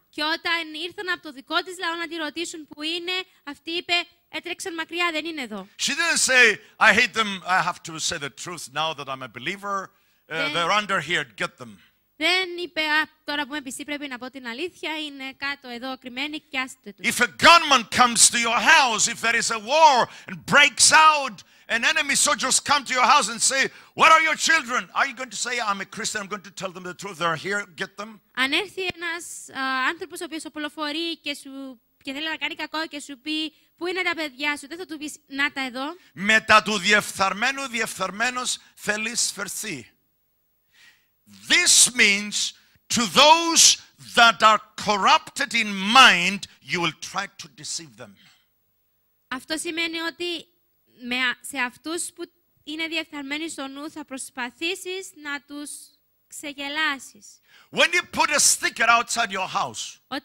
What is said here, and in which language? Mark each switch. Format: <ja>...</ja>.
<el>Και όταν ήρθαν από το δικό της λαό να τη ρωτήσουν που είναι, αυτή είπε, έτρεξαν μακριά, δεν είναι εδώ.</el> <en>She didn't say, I hate them, I have to say the truth now that I'm a believer. They're under here, get them.</en> <el>Δεν είπε, τώρα που με πιστεί πρέπει να πω την αλήθεια, είναι κάτω εδώ κρυμμένοι, πιάστε τους.</el> <en>If a gunman comes to your house, if there is a war and breaks out, and enemy soldiers come to your house and say, where are your children? Are you going to say, I'm a Christian, I'm going to tell them the truth, they're here, get them?</en> <el>Αν έρθει ένας άνθρωπος ο οποίος οπλοφορεί και θέλει να κάνει κακό και σου πει, πού είναι τα παιδιά σου, δεν θα του πεις, να τα εδώ. Μετά του διεφθαρμένου, διεφθαρμένος θέλει σφερθεί.</el> <en>This means to those that are corrupted in mind, you will try to deceive them.</en> <el>Αυτό σημαίνει ότι σε αυτούς που είναι διεφθαρμένοι στο νου θα προσπαθήσεις να τους ξεγελάσεις.</el> <en>When you put a sticker outside your house,</en>